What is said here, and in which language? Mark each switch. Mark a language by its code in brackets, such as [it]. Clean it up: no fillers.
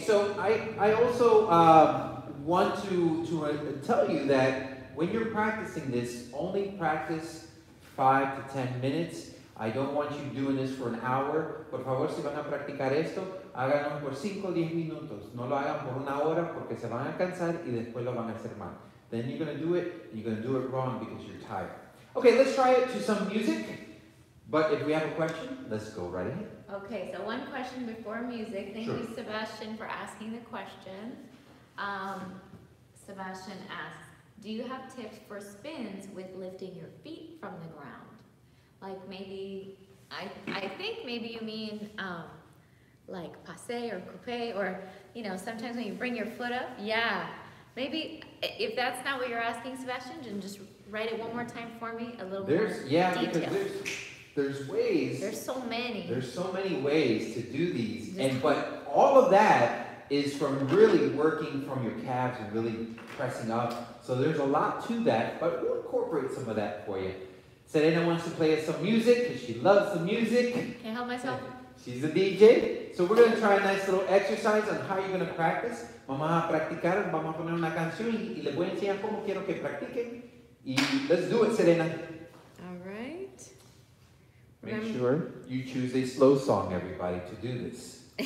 [en] So I also want to tell you that when you're practicing this, only practice 5 to 10 minutes. I don't want you doing this for an hour. [es] Por favor, si van a practicar esto, háganlo por 5 o 10 minutos. No lo hagan por una hora porque se van a cansar y después lo van a hacer mal. [en] Then you're going to do it, and you're going to do it wrong because you're tired. Okay, let's try it to some music. But if we have a question, let's go right ahead. Okay, so one question before music. Thank you, Sebastian, for asking the question. Sebastian asks, do you have tips for spins with lifting your feet from the ground? Like maybe, I think maybe you mean like passe or coupe, or you know, sometimes when you bring your foot up. Yeah, maybe if that's not what you're asking, Sebastian, then just write it one more time for me, a little more detail. Because there's ways. There's so many ways to do these, but all of that is from really working from your calves and really pressing up. So there's a lot to that, but we'll incorporate some of that for you. Serena wants to play us some music because she loves the music. Can't help myself. She's a DJ. So we're going to try a nice little exercise on how you're going to practice. [es] Vamos a practicar, vamos a poner una canción y les voy a enseñar cómo quiero que practiquen. [en] Y let's do it, Serena. All right. Make sure you choose a slow song, everybody, to do this.